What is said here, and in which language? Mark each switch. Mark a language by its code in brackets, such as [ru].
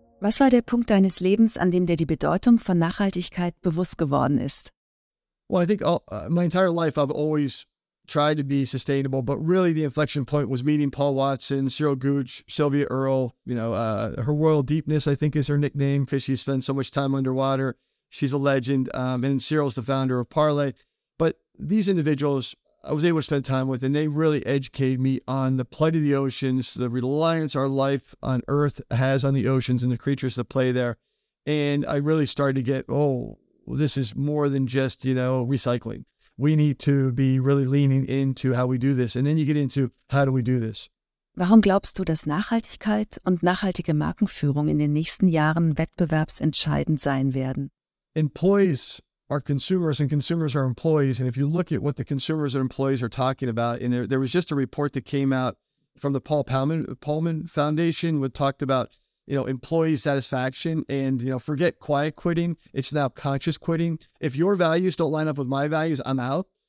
[de] Was war der Punkt deines Lebens, an dem dir die Bedeutung von Nachhaltigkeit bewusst geworden ist? [en] Well, I think my entire life I've always tried to be sustainable, but really the inflection point was meeting Paul Watson, Cyril Gooch, Sylvia Earle, her Royal Deepness, I think is her nickname, because she spends so much time underwater. She's a legend. And Cyril's the founder of Parley. But these individuals I was able to spend time with, and they really educated me on the plight of the oceans, the reliance our life on Earth has on the oceans and the creatures that play there. And I really started to get, this is more than just, recycling. We need to be really leaning into how we do this. And then you get into, how do we do this? [de] Warum glaubst du, dass Nachhaltigkeit und nachhaltige Markenführung in den nächsten Jahren wettbewerbsentscheidend sein werden? [en] Employees are consumers, and consumers are employees. And if you look at what the consumers and employees are talking about, and there was just a report that came out from the Paul Pullman Foundation, which talked about, employee satisfaction and, forget quiet quitting. It's now conscious quitting. If your values don't line up with my values, I'm out.